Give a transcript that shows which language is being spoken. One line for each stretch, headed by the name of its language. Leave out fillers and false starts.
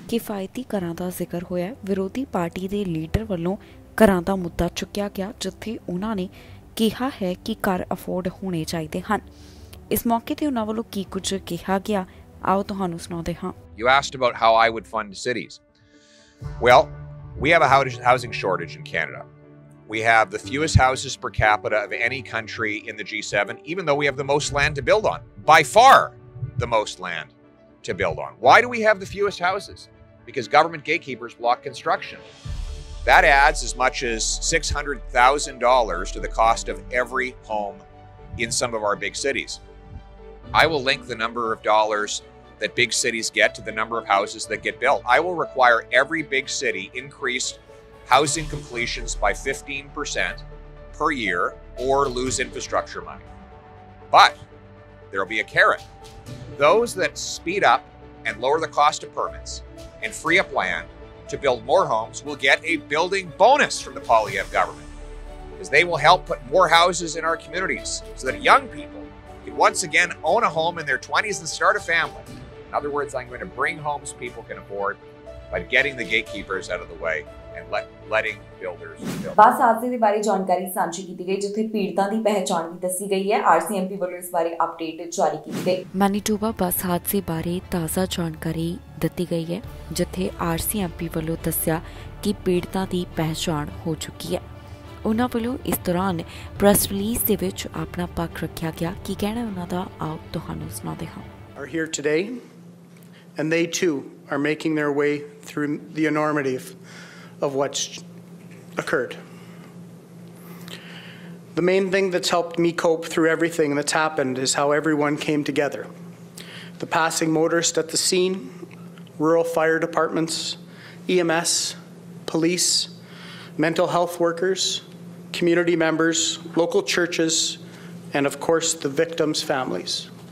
Punjabi: ਕਿਫਾਇਤੀ ਘਰਾਂ ਦਾ ਜ਼ਿਕਰ ਹੋਇਆ ਵਿਰੋਧੀ ਪਾਰਟੀ ਦੇ ਲੀਡਰ ਵੱਲੋਂ ਘਰਾਂ ਦਾ ਮੁੱਦਾ ਚੁੱਕਿਆ ਗਿਆ ਜਿੱਥੇ ਉਹਨਾਂ ਨੇ ਕਿਹਾ ਹੈ ਕਿ ਘਰ ਅਫੋਰਡ ਹੋਣੇ ਚਾਹੀਦੇ ਹਨ ਇਸ ਮੌਕੇ ਤੇ ਉਹਨਾਂ ਵੱਲੋਂ ਕੀ ਕੁਝ ਕਿਹਾ ਗਿਆ ਆਓ ਤੁਹਾਨੂੰ ਸੁਣਾਉਂਦੇ ਹਾਂ
English: You asked about how I would fund cities well we have a housing shortage in Canada We have the fewest houses per capita of any country in the G7, even though we have the most land to build on. By far, the most land to build on. Why do we have the fewest houses? Because government gatekeepers block construction. That adds as much as $600,000 to the cost of every home in some of our big cities. I will link the number of dollars that big cities get to the number of houses that get built. I will require every big city increase housing completions by 15% per year or lose infrastructure money. But there'll be a carrot. Those that speed up and lower the cost of permits and free up land to build more homes will get a building bonus from the Polyev government, because they will help put more houses in our communities so that young people can once again own a home in their 20s and start a family. In other words, I'm going to bring homes people can afford by getting the gatekeepers out of the way and letting builders build.
Punjabi: ਬਸ ਆਸੇ ਦੇ ਬਾਰੇ ਜਾਣਕਾਰੀ ਸਾਂਝੀ ਕੀਤੀ ਗਈ ਜਿੱਥੇ ਪੀੜਤਾਂ ਦੀ ਪਹਿਚਾਣ ਵੀ ਦੱਸੀ ਗਈ ਹੈ। ਆਰਸੀਐਮਪੀ ਵੱਲੋਂ ਇਸ ਬਾਰੇ ਅਪਡੇਟ ਜਾਰੀ ਕੀਤੀ ਗਈ। ਮੈਨੀਟੂਬਾ ਬਸ ਹਾਦਸੇ ਬਾਰੇ ਤਾਜ਼ਾ ਜਾਣਕਾਰੀ ਦਿੱਤੀ ਗਈ ਹੈ ਜਿੱਥੇ ਆਰਸੀਐਮਪੀ ਵੱਲੋਂ ਦੱਸਿਆ ਕਿ ਪੀੜਤਾਂ ਦੀ ਪਹਿਚਾਣ ਹੋ ਚੁੱਕੀ ਹੈ। ਉਹਨਾਂ ਵੱਲੋਂ ਇਸ ਦੌਰਾਨ ਪ੍ਰੈਸ ਰਿਲੀਜ਼ ਦੇ ਵਿੱਚ ਆਪਣਾ ਪੱਖ ਰੱਖਿਆ ਗਿਆ। ਕੀ ਕਹਿਣਾ ਉਹਨਾਂ ਦਾ, ਆਓ ਤੁਹਾਨੂੰ ਸੁਣਾਉਂਦੇ ਹਾਂ।
English: Are here today and they too are making their way through the enormity of what's occurred. The main thing that's helped me cope through everything that's happened is how everyone came together. The passing motorist at the scene, rural fire departments, EMS, police, mental health workers, community members, local churches, and of course the victims' families.